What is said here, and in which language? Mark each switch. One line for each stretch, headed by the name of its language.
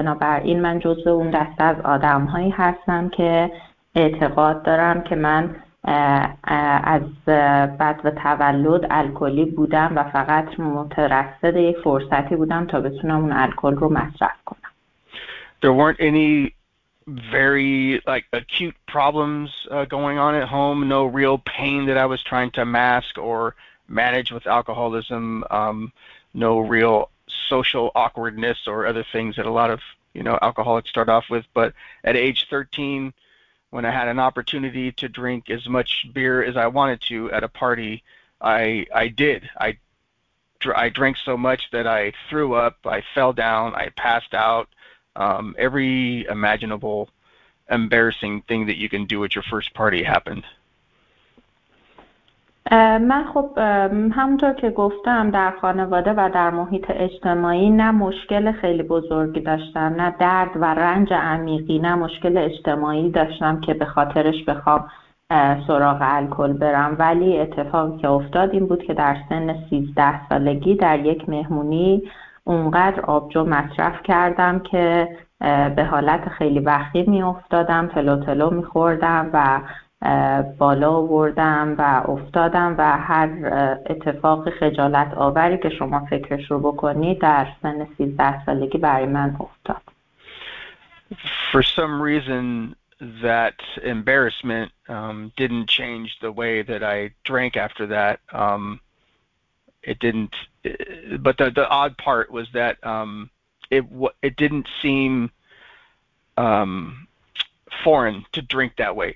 Persian: بنابراین من جزء اون دسته از آدم‌هایی هستم که اعتقاد دارم که من از بد و تولد الکلی بودم و فقط مترصد یه فرصتی بودم تا بتونم اون الکل رو مصرف کنم.
English: There weren't any very like acute problems going on at home, no real pain that I was trying to mask or manage with alcoholism, no real social awkwardness or other things that a lot of, you know, alcoholics start off with. But at age 13, when I had an opportunity to drink as much beer as I wanted to at a party, I did. I drank so much that I threw up, I fell down, I passed out. Every imaginable embarrassing thing that you can do at your first party happened.
Persian: من خب همونطور که گفتم در خانواده و در محیط اجتماعی نه مشکل خیلی بزرگی داشتم، نه درد و رنج عمیقی، نه مشکل اجتماعی داشتم که به خاطرش بخوام سراغ الکل برم. ولی اتفاقی که افتاد این بود که در سن 13 سالگی در یک مهمونی اونقدر آبجو مصرف کردم که به حالت خیلی وخیم می افتادم، تلو تلو می خوردم و بالا آوردم و افتادم و هر اتفاق خجالت آوری که شما فکرش رو بکنی در سن 13 سالگی برای من افتاد.
English: For some reason that embarrassment didn't change the way that I drank after that. It didn't, but the odd part was that it didn't seem foreign to drink that way.